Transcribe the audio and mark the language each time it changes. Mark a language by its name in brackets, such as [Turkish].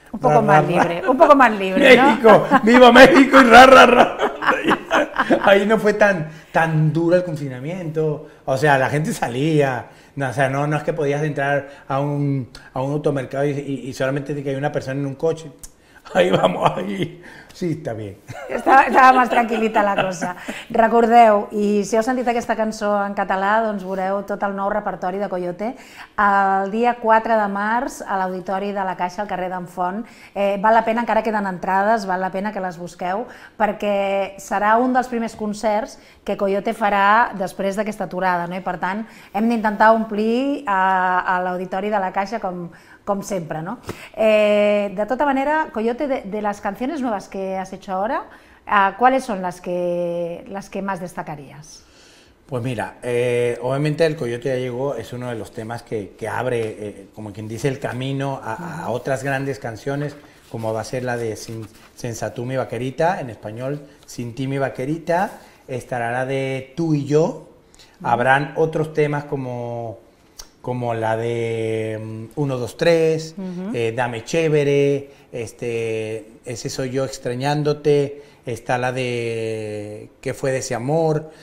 [Spanish] Un poco más libre, un poco más libre, ¿no? México, viva México y ra, ra, ra. Ahí no fue tan, tan duro el confinamiento. O sea, la gente salía. O sea, no es que podías entrar a un automercado y solamente que hay una persona en un coche. Ahí vamos, ahí... Sí, [Catalan] està bé. Estava més tranquil·lita la cosa. Recordeu, i si heu sentit aquesta cançó en català, doncs veureu tot el nou repertori de Coyote. El dia 4 de març, a l'Auditori de la Caixa, al carrer d'en Font, val la pena, encara queden entrades, val la pena que les busqueu, perquè serà un dels primers concerts que Coyote farà després d'aquesta aturada, no? I per tant, hem d'intentar omplir a l'Auditori de la Caixa com sempre, ¿no? De tota manera, Coyote, de les cançons noves que [Spanish] has hecho ahora, ¿cuáles son las que más destacarías? Pues mira, obviamente El Coyote Ya Llegó es uno de los temas que abre, como quien dice, el camino a otras grandes canciones, como va a ser la de Senza Tu Mi Vaquerita, en español, Sin Ti Mi Vaquerita, estará la de Tú y Yo, habrán otros temas como la de 1, 2, 3, Dame Chévere, Ese Soy Yo Extrañándote, está la de ¿Qué Fue De Ese Amor?